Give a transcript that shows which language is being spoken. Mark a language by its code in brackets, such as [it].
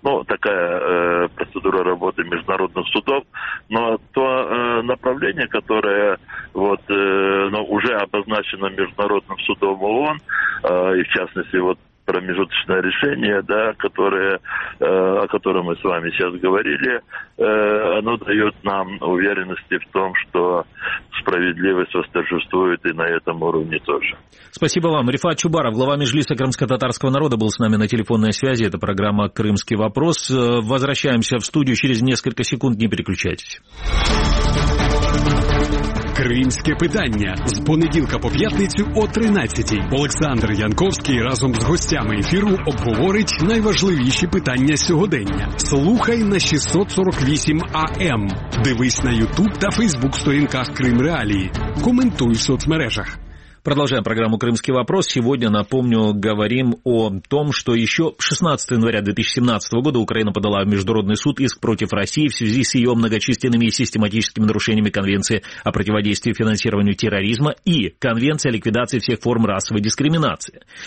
[ru] Такая процедура работы международных судов. Но то направление, которое уже обозначено Международным судом ООН, и в частности промежуточное решение, о котором мы с вами сейчас говорили, оно дает нам уверенности в том, что справедливость восторжествует и на этом уровне тоже. Спасибо вам. Рифат Чубаров, глава Меджлиса крымско-татарского народа, был с нами на телефонной связи. Это программа «Крымский вопрос». Возвращаемся в студию через несколько секунд. Не переключайтесь. [uk] «Крымские питання» с понеділка по п'ятницю о 13:00. Олександр Янковський разом з гостями ефіру обговорить найважливіші питання сьогодення. Слухай на 648 АМ. Дивись на YouTube та Facebook сторінках «Крим Реалії». Коментуй в соцмережах. [ru] Продолжаем программу «Крымский вопрос». Сегодня, напомню, говорим о том, что еще 16 января 2017 года Украина подала в Международный суд иск против России в связи с ее многочисленными и систематическими нарушениями Конвенции о противодействии финансированию терроризма и Конвенции о ликвидации всех форм расовой дискриминации.